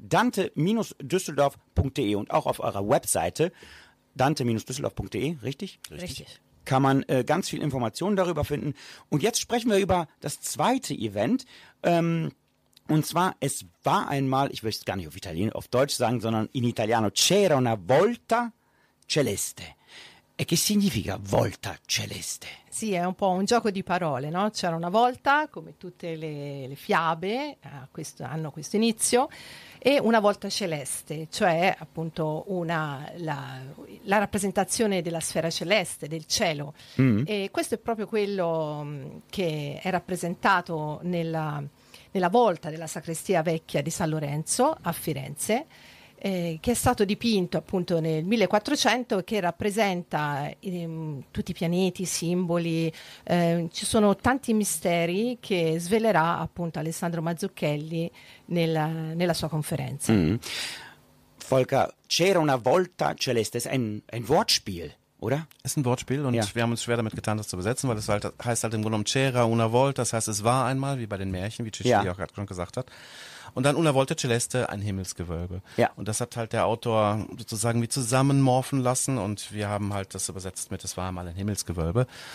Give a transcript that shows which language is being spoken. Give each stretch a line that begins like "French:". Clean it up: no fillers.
German: kontakt@dante-düsseldorf.de und auch auf eurer Webseite dante-düsseldorf.de, richtig? Richtig. Kann man ganz viel Informationen darüber finden. Und jetzt sprechen wir über das zweite Event. Und zwar, es war einmal, ich möchte es gar nicht auf Italienisch, auf Deutsch sagen, sondern in Italiano,
Italian: c'era una volta celeste. E che significa volta celeste? Sì, è un po' un gioco di parole, no? C'era una volta, come tutte le fiabe hanno questo inizio, e una volta celeste, cioè appunto la rappresentazione della sfera celeste, del cielo. Mm. E questo è proprio quello che è rappresentato nella volta della sacrestia vecchia di San Lorenzo a Firenze, che è stato dipinto appunto nel 1400, che rappresenta tutti i pianeti, i simboli. Ci sono tanti misteri che svelerà appunto Alessandro Mazzucchelli nella sua conferenza. Mm. Volker, c'era una volta celeste, è un
German: Wortspiel. Oder? Ist ein Wortspiel, und wir haben uns schwer damit getan, das zu besetzen, weil es halt, heißt halt im Grunde genommen
Italian: c'era una volta,
German: das heißt, es war einmal, wie bei den Märchen, wie Cicilli auch gerade schon gesagt hat. Und dann
Italian: una volta celeste,
German: ein Himmelsgewölbe. Ja. Und das hat halt der Autor sozusagen wie zusammenmorphen lassen, und wir haben halt das übersetzt mit, es war einmal ein Himmelsgewölbe.